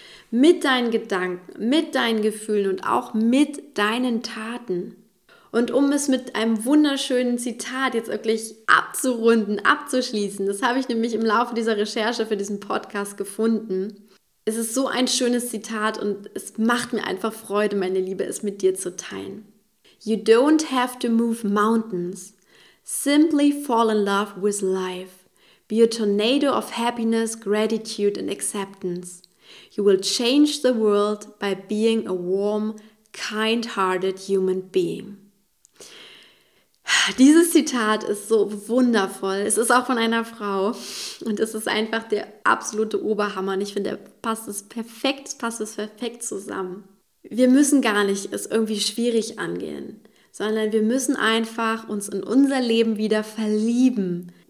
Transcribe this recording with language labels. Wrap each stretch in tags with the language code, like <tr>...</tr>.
<de>Mit deinen Gedanken, mit deinen Gefühlen und auch mit deinen Taten. Und um es mit einem wunderschönen Zitat jetzt wirklich abzurunden, abzuschließen, das habe ich nämlich im Laufe dieser Recherche für diesen Podcast gefunden. Es ist so ein schönes Zitat und es macht mir einfach Freude, meine Liebe, es mit dir zu teilen.</de> <en>You don't have to move mountains. Simply fall in love with life. Be a tornado of happiness, gratitude and acceptance. You will change the world by being a warm, kind-hearted human being.</en> <de>Dieses Zitat ist so wundervoll. Es ist auch von einer Frau und es ist einfach der absolute Oberhammer. Und ich finde, passt es perfekt zusammen. Wir müssen gar nicht es irgendwie schwierig angehen, sondern wir müssen einfach uns in unser Leben wieder verlieben.</de>